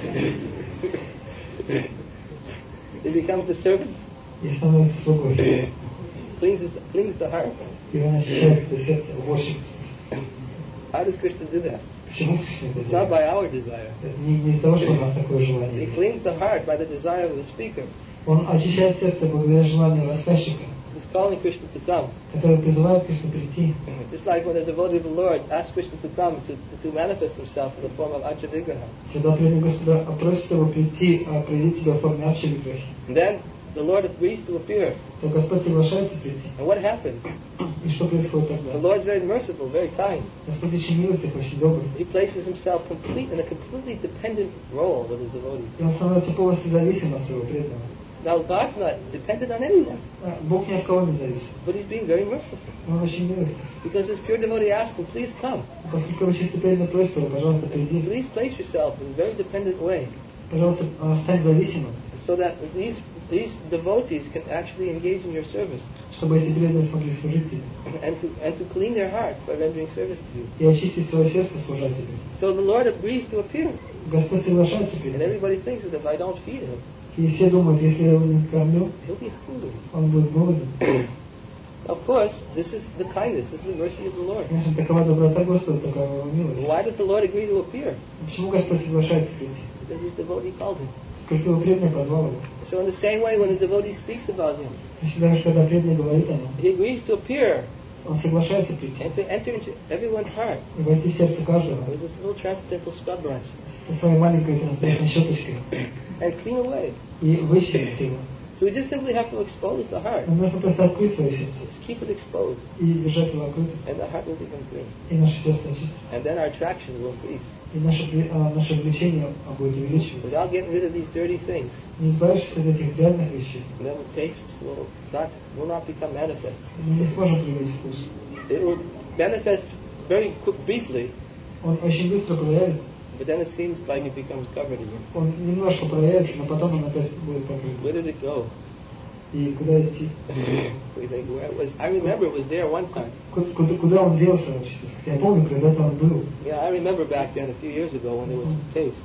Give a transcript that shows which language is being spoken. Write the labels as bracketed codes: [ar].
[en] He becomes the servant. [ru] И становится слугой. [en] Cleans the heart. [ru] И он очищает это сердце, worship. [en] How does Krishna do that? [ru] Почему Кришна это делает? [en] It's not by our desire. [ru] Не из-за того, что у нас такое желание. [en] He cleans the heart by the desire of the speaker. [ru] Он очищает сердце благодаря желанию рассказчика. [en] Calling Krishna to come. [ru] Который призывает Кришну прийти. [en] Just like when a devotee of the Lord asks Krishna to come to manifest himself in the form of Acha-Vigraha. [ru] Когда преданный Господа просит его прийти, проявить себя в форме Acha-Vigraha. [en] Then the Lord agrees to appear. [ru] То Господь соглашается прийти. [en] And what happens? [ru] И что происходит тогда? [en] The Lord is very merciful, very kind. [ru] Господь очень милостив, очень добрый. [en] He places himself in a completely dependent role with his devotee. [ru] И он становится полностью зависим от своего преданного. [en] Now God's not dependent on anyone. [ru] Бог ни от кого не зависит. [en] But he's being very merciful. [ru] Он очень милостив. [en] Because his pure devotee asks him, please come. [ru] Поскольку очень преданный просит его, пожалуйста, приди. [en] Please place yourself in a very dependent way. [ru] Пожалуйста, стань зависимым. [en] So that these devotees can actually engage in your service. [ru] Чтобы эти преданные смогли служить тебе. [en] And to clean their hearts by rendering service to you. [ru] И очистить свое сердце, служа тебе. [en] So the Lord agrees to appear. [ru] Господь соглашается прийти. [en] And everybody thinks that if I don't feed him. [ru] И все думают, если я его не кормлю, он будет голоден. [en] Of course, this is the kindness, this is the mercy of the Lord. [ru] Конечно, такова доброта Господа, такова его милость. [en] Why does the Lord agree to appear? [ru] Почему Господь соглашается прийти? [en] Because his devotee called him. [ru] Сколько его преданный позвал его. [en] So in the same way, when the devotee speaks about him, [ru] когда преданный говорит о нем, [en] he agrees to appear. [ru] Он соглашается прийти. [en] And to enter into everyone's heart. [ru] И войти в сердце каждого. [en] With his little transcendental scrub brush. [ru] Со своей маленькой трансцендентной щеточкой. [en] And clean away. [ru] И вычистить его. [en] So we just simply have to expose the heart. [ru] Нам нужно просто открыть свое сердце. [en] Just keep it exposed. [ru] И держать его открытым. [en] And the heart will become clean. [ru] И наше сердце очистится. [en] And then our attraction will increase. [ru] И наше влечение будет увеличиваться. [en] Without getting rid of these dirty things. [ru] Не избавившись от этих грязных вещей. [en] Then the taste will not become manifest. [ru] Мы не сможем привить вкус. [en] It will manifest very briefly. [ru] Он очень быстро проявится. [en] But then it seems like it becomes covered again. [ru] Он немножко проявится, но потом он опять будет покрыт. [en] Where did it go? [ru] И куда идти? [en] We think, where it was? I remember it was there one time. [ru] Куда он делся вообще? Я помню, когда-то он был. [en] Yeah, I remember back then, a few years ago, when there was some taste.